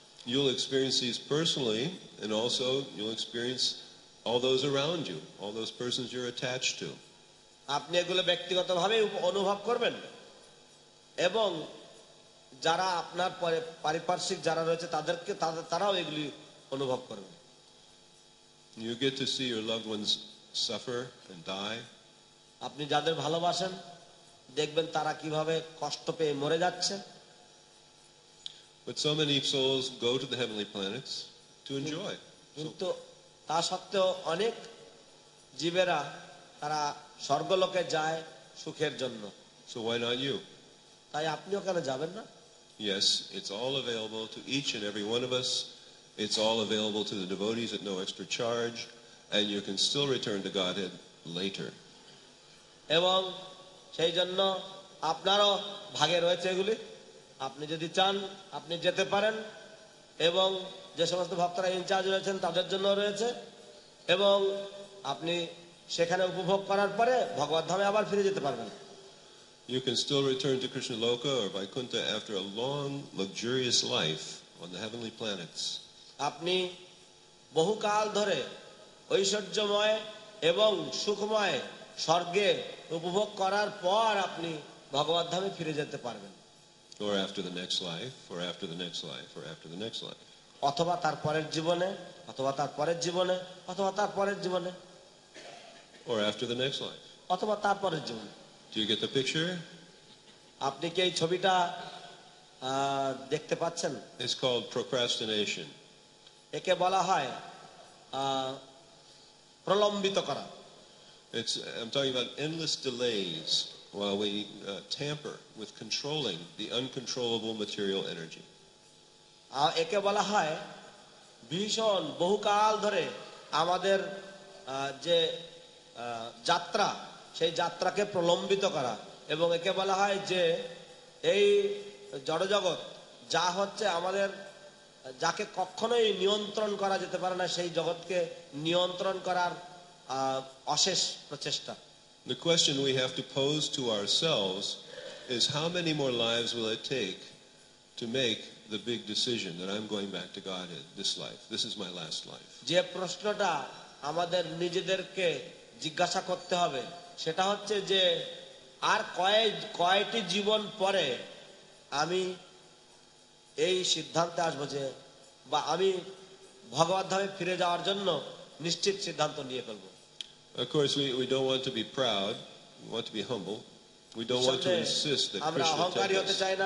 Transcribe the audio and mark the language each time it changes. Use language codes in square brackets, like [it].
[en] You'll experience these personally and also you'll experience all those around you, all those persons you're attached to. [bn] আপনি এগুলো ব্যক্তিগতভাবে অনুভব করবেন এবং যারা আপনার পরে পারিপার্শ্বিক যারা রয়েছে তাদেরকে তারাও এগুলি অনুভব করবে। [en] You get to see your loved ones suffer and die. [bn] আপনি যাদের ভালোবাসেন দেখবেন তারা কিভাবে কষ্ট পেয়ে মরে যাচ্ছে। [en] But so many souls go to the heavenly planets to enjoy. [bn] কিন্তু তা সত্ত্বেও অনেক জীবেরা তারা স্বর্গলোকে যায় সুখের জন্য। [en] So why not you? [bn] তাই আপনিও কেন যাবেন না? [en] Yes, it's all available to each and every one of us. It's all available to the devotees at no extra charge, and you can still return to Godhead later. [bn] এবং সেই জন্য আপনারও ভাগে রয়েছে এগুলি। আপনি যদি চান আপনি যেতে পারেন এবং যে সমস্ত ভক্তরা ইনচার্জ রয়েছেন তাদের জন্য রয়েছে এবং আপনি সেখানে উপভোগ করার পরে ভগবত ধামে আবার ফিরে যেতে পারবেন। [en] You can still return to Krishna Loka or Vaikuntha after a long luxurious life on the heavenly planets. [bn] আপনি বহুকাল ধরে ঐশ্বর্যময় এবং সুখময় স্বর্গে উপভোগ করার পর আপনি ভগবত ধামে ফিরে যেতে পারবেন। [en] Or after the next life, or after the next life, or after the next life. [bn] অথবা তার পরের জীবনে, অথবা তার পরের জীবনে, অথবা তার পরের জীবনে. [en] Or after the next life. [bn] অথবা তার পরের জীবনে. [en] Do you get the picture? [bn] আপনি কি এই ছবিটা দেখতে পাচ্ছেন? [en] It's called procrastination. [bn] একে বলা হয় প্রলম্বিত করা। [en] It's I'm talking about endless delays while we tamper with controlling the uncontrollable material energy. [bn] একে বলা হয় ভীষণ বহুকাল ধরে আমাদের যে যাত্রা সেই যাত্রাকে প্রলম্বিত করা, এবং একে বলা হয় যে এই জড়জগৎ যা হচ্ছে আমাদের যাকে কখনোই নিয়ন্ত্রণ করা যেতে পারে না সেই জগৎকে নিয়ন্ত্রণ করার অশেষ প্রচেষ্টা। [en] The question we have to pose to ourselves is how many more lives will it take to make the big decision that I'm going back to Godhead this life, this is my last life. [bn] যে প্রশ্নটা আমাদের নিজেদেরকে জিজ্ঞাসা করতে হবে সেটা হচ্ছে যে আর কয়টি জীবন পরে আমি এই সিদ্ধান্তে আসবো যে বা আমি ভগবত ধামে ফিরে যাওয়ার জন্য নিশ্চিত সিদ্ধান্ত নিয়ে ফেলবো। [en] Of course, we don't want to be proud. We want to be humble. We don't want to insist that Krishna take us.